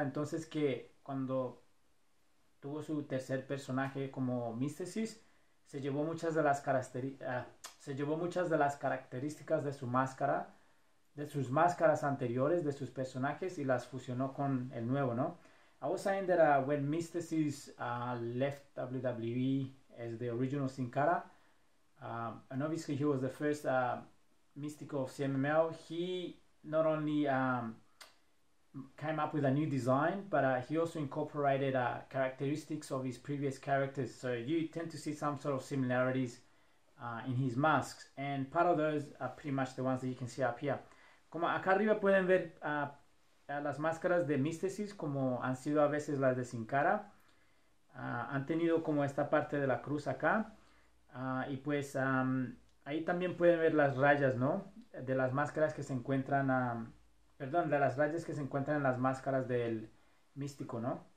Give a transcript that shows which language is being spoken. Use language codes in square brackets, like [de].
[es] Entonces que cuando tuvo su tercer personaje como Místesis, se llevó muchas de las se llevó muchas de las características de su máscara, de sus máscaras anteriores, de sus personajes, y las fusionó con el nuevo, ¿no? [en] I was saying that when Místesis left WWE as the original Sin Cara, and obviously he was the first Místico of CMLL, he not only came up with a new design, but he also incorporated characteristics of his previous characters. So you tend to see some sort of similarities in his masks. And part of those are pretty much the ones that you can see up here. [es] Como acá arriba pueden ver las máscaras de Místesis, como han sido a veces las de Sin Cara. Han tenido como esta parte de la cruz acá. Y pues ahí también pueden ver las rayas, ¿no? De las máscaras que se encuentran, perdón, de las rayas que se encuentran en las máscaras del Místico, ¿no?